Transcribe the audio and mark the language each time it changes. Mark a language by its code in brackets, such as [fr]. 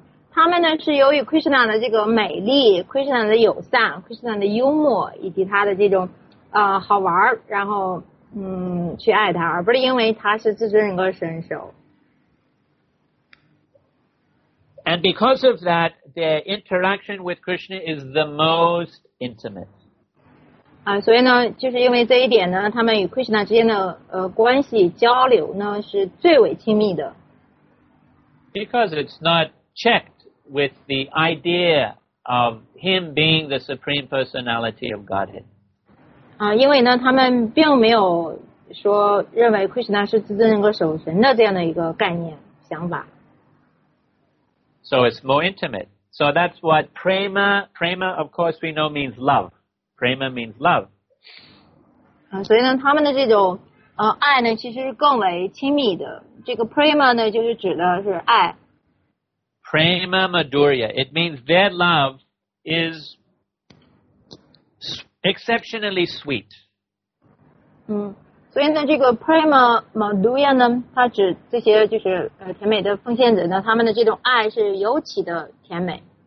[zh] 他们呢是由于 Krishna 的这个美丽 ,Krishna 的友善 ,Krishna 的幽默以及他的这种好玩然后去爱他而不是因为他是自尊人格神兽。 [en] And because of that, their interaction with Krishna is the most intimate. [zh] 所以呢，就是因为这一点呢，他们与 Krishna 之间的关系交流呢是最为亲密的。 [en] Because it's not checked with the idea of him being the Supreme Personality of Godhead. [zh] 因为呢，他们并没有说认为 Krishna 是自尊人格守神的这样的一个概念想法。 [en] So it's more intimate. So that's what prema, of course we know means love. Prema means love. [zh] 所以呢他们的这种爱呢其实是更为亲密的。这个 prema 呢就是指的是爱。 [en] Prema madhurya, it means their love is exceptionally sweet. [zh] 所以呢这个 prema madhurya 呢它指这些就是甜美的奉献者呢他们的这种爱是尤其的甜美。